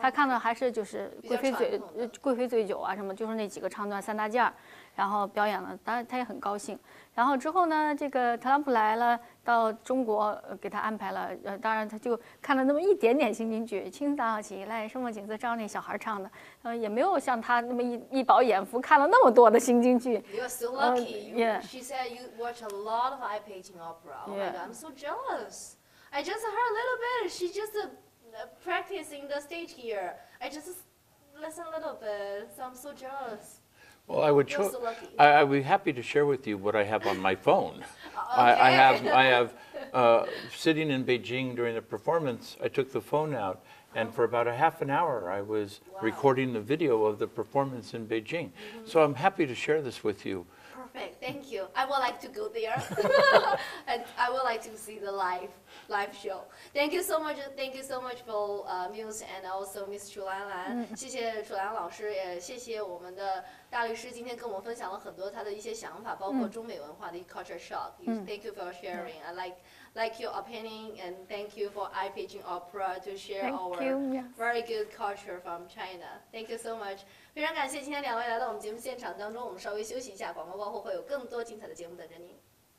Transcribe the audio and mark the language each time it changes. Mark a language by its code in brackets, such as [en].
[zh] 他看到还是就是贵妃醉酒啊什么，就是那几个唱段三大件，然后表演了，当然他也很高兴。然后之后呢，这个特朗普来了，到中国给他安排了，当然他就看了那么一点点新京剧，清早起来什么景色，照那小孩唱的，也没有像他那么一饱眼福看了那么多的新京剧。 [en] You're so lucky. Yeah. She said you watch a lot of I Beijing opera. Oh my god, I'm so jealous. I just heard a little bit. She just practicing the stage here. I just listen a little bit. So I'm so jealous. Well, I would I would be happy to share with you what I have on my phone. Okay. I have sitting in Beijing during the performance, I took the phone out, and for about a half an hour, I was recording the video of the performance in Beijing. Mm-hmm. So I'm happy to share this with you. Perfect. Thank you. I would like to go there. And I would like to see the live show. Thank you so much. Thank you so much for Muse and also Miss 楚兰兰、嗯。 [zh] 谢谢楚兰老师，也谢谢我们的大律师今天跟我们分享了很多他的一些想法，包括中美文化的 culture shock、嗯。 [en] Thank you for sharing. I like your opinion and thank you for I Beijing Opera to share our very good culture from China. Thank you so much. [zh] 非常感谢今天两位来到我们节目现场当中，我们稍微休息一下，广告过后会有更多精彩的节目等着您。